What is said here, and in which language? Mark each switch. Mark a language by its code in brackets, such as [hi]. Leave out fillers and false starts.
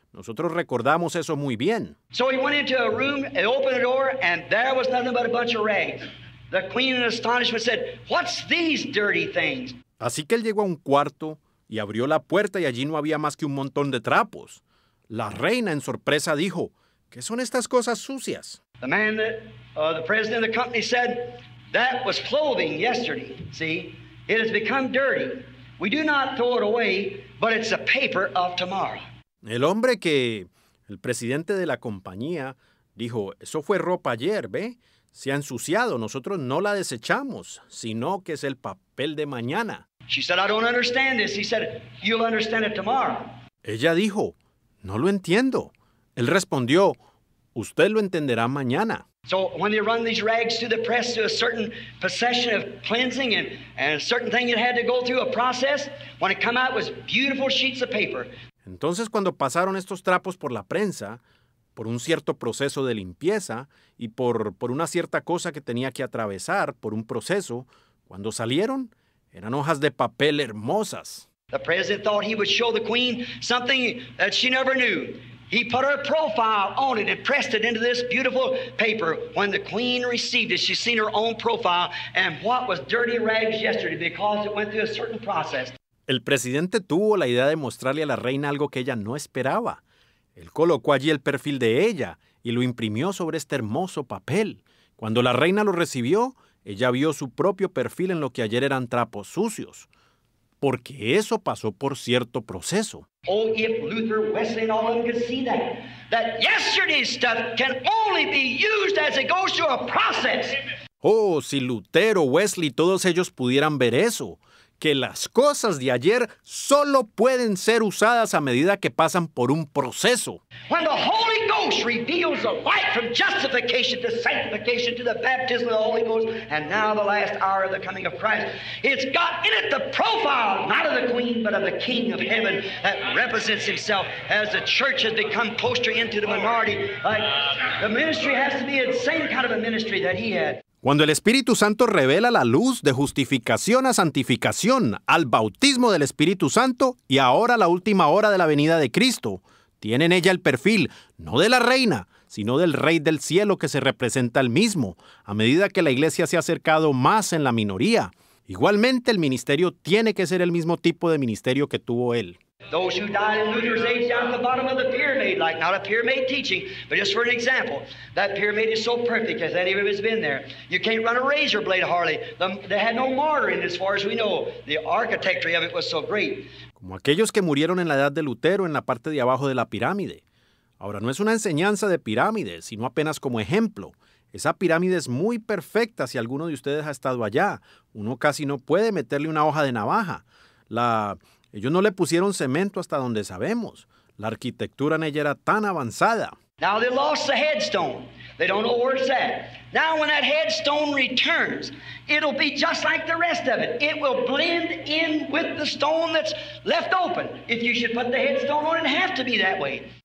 [es] Nosotros recordamos eso muy bien. [en] So he went into a room and opened the door, and there was nothing but a bunch of rags. The queen in astonishment said, "What's these dirty things?" [es] Así que él llegó a un cuarto y abrió la puerta y allí no había más que un montón de trapos. La reina en sorpresa dijo, "¿Qué son estas cosas sucias?" [en] The man that, the president of the company said, "That was clothing yesterday. See? It has become dirty. We do not throw it away, but it's the paper of tomorrow." [es] El hombre que el presidente de la compañía dijo, "Eso fue ropa ayer, ¿ve? Se ha ensuciado. Nosotros no la desechamos, sino que es el papel de mañana." [en] She said, "I don't understand this." He said, "You'll understand it tomorrow." [es] Ella dijo, "No lo entiendo." Él respondió, "Usted lo entenderá mañana." [en] So when they run these rags through the press to a certain procession of cleansing and a certain thing that had to go through a process, when it came out, it was beautiful sheets of paper. [es] Entonces, cuando pasaron estos trapos por la prensa, por un cierto proceso de limpieza y por una cierta cosa que tenía que atravesar, por un proceso, cuando salieron, eran hojas de papel hermosas. [en] The president thought he would show the queen something that she never knew. He put her profile on it and pressed it into this beautiful paper. When the queen received it, she seen her own profile and what was dirty rags yesterday because it went through a certain process. [es] El presidente tuvo la idea de mostrarle a la reina algo que ella no esperaba. Él colocó allí el perfil de ella y lo imprimió sobre este hermoso papel. Cuando la reina lo recibió, ella vio su propio perfil en lo que ayer eran trapos sucios, porque eso pasó por cierto proceso. [en] Oh, if Luther, Wesley, and all of them could see that, that yesterday's stuff can only be used as it goes through a process. [es] Oh, si Lutero, Wesley, todos ellos pudieran ver eso. Que las cosas de ayer solo pueden ser usadas a medida que pasan por un proceso. [en] When the Holy Ghost reveals the light from justification to sanctification to the baptism of the Holy Ghost, and now the last hour of the coming of Christ, it's got in it the profile, not of the queen, but of the King of Heaven that represents himself as the church has become closer into the minority. Like the ministry has to be the same kind of a ministry that he had. [es] Cuando el Espíritu Santo revela la luz de justificación a santificación, al bautismo del Espíritu Santo y ahora la última hora de la venida de Cristo, tienen ella el perfil, no de la reina, sino del Rey del Cielo que se representa el mismo, a medida que la iglesia se ha acercado más en la minoría. Igualmente, el ministerio tiene que ser el mismo tipo de ministerio que tuvo él. [en] Those who died in Luther's age down at the bottom of the pyramid, like not a pyramid teaching, but just for an example, that pyramid is so perfect as any of it has been there. You can't run a razor blade hardly. They had no martyr in it, as far as we know. The architecture of it was so great. [es] Como aquellos que murieron en la edad de Lutero en la parte de abajo de la pirámide. Ahora, no es una enseñanza de pirámides, sino apenas como ejemplo. Esa pirámide es muy perfecta si alguno de ustedes ha estado allá. Uno casi no puede meterle una hoja de navaja. Ellos no le pusieron cemento hasta donde sabemos. La arquitectura en ella era tan avanzada. [en] Now they lost the headstone. They don't know where it's at. Now when that headstone returns, it'll be just like the rest of it. It will blend in with the stone that's left open. If you should put the headstone on, it'd have to be that way.